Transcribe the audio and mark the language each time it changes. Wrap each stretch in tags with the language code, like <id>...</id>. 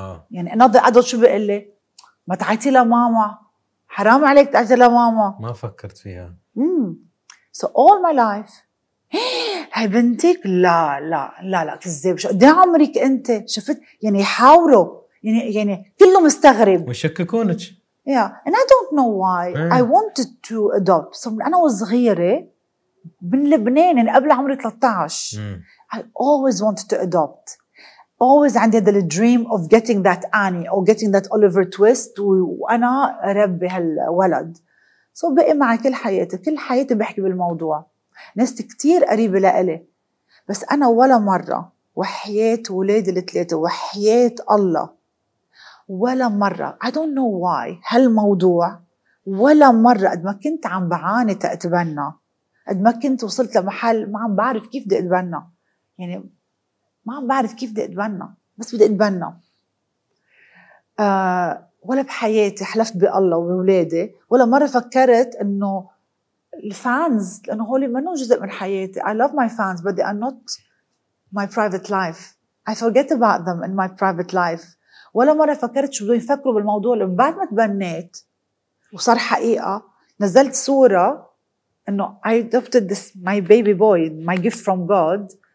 <ar>يعني</ar> <en>another adult</en> <ar>شو بيقلي ما تعطي لماما، حرام عليك تعطي لماما، ما فكرت فيها.</ar> <en>So all my life</en> <ar>هاي بنتك؟ لا لا لا لا كذب، شو ده عمرك انت؟ شفت يعني يحاوروا يعني يعني كله مستغرب ويشككونك.</ar> <en>Yeah and I don't know why I wanted to adopt.</en> <ar>So انا وصغيرة من لبنان يعني قبل عمري 13</ar> <en>I always wanted to adopt. Always</en> <ar>عندي هذا</ar> <en>dream of getting that Annie or getting that Oliver Twist</en> <ar>وانا ربي هالولد. سو بقي معي كل حياتي، كل حياتي بحكي بالموضوع، ناس كتير قريبة لألي، بس أنا ولا مرة وحياة ولادي الثلاثة وحياة الله ولا مرة</ar> <en>I don't know why</en> <ar>هالموضوع، ولا مرة قد ما كنت عم بعاني تأتبنى، قد ما كنت وصلت لمحل ما عم بعرف كيف بدي أتبنى، يعني ما عم بعرف كيف بدي أتبنى بس بدي أتبنى. ولا بحياتي حلفت بالله وبولادي ولا مرة فكرت إنه الفانز، لأنه هولي ما نوجزء من حياتي.</ar> <en>I love my fans but they are not my private life. I forget about them in my private life.</en> <ar>ولا مرة فكرت شو بدو يفكروا بالموضوع. لأن بعد ما تبنيت وصار حقيقة نزلت صورة إنه</ar> <en>I adopted this my baby boy my gift from God.</en>